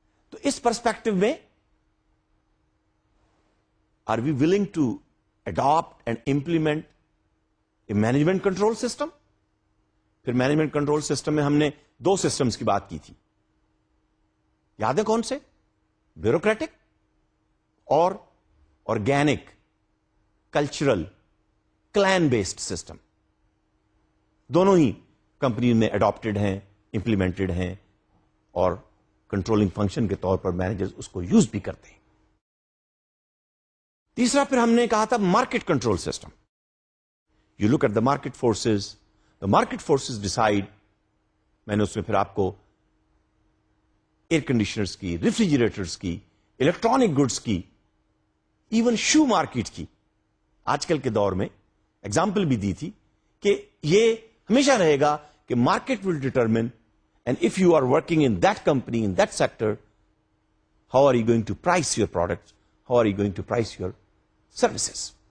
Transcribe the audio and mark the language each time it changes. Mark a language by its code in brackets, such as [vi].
[ur] تو اس پرسپیکٹو میں [en] Are we willing to adapt and implement a management control system? [ur] پھر management control system میں ہم نے دو سسٹمز کی بات کی تھی, یاد ہے کون سے؟ بیوروکریٹک اور organic cultural clean based system. دونوں ہی کمپنیز میں اڈاپٹڈ ہیں, امپلیمنٹڈ ہیں اور کنٹرولنگ فنکشن کے طور پر مینیجرز اس کو یوز بھی کرتے ہیں. تیسرا پھر ہم نے کہا تھا market control system. [en] You look at the market forces, the market forces decide. [ur] میں نے اس میں پھر آپ کو ایئر کنڈیشنرز کی, ریفریجریٹرز کی, الیکٹرانک گڈز کی, ایون شو مارکیٹ کی آج کل کے دور میں ایگزامپل بھی دی تھی کہ یہ ہمیشہ رہے گا کہ [en] Market will determine and if you are working in that company in that sector how are you going to price your product, how are you going to price your services.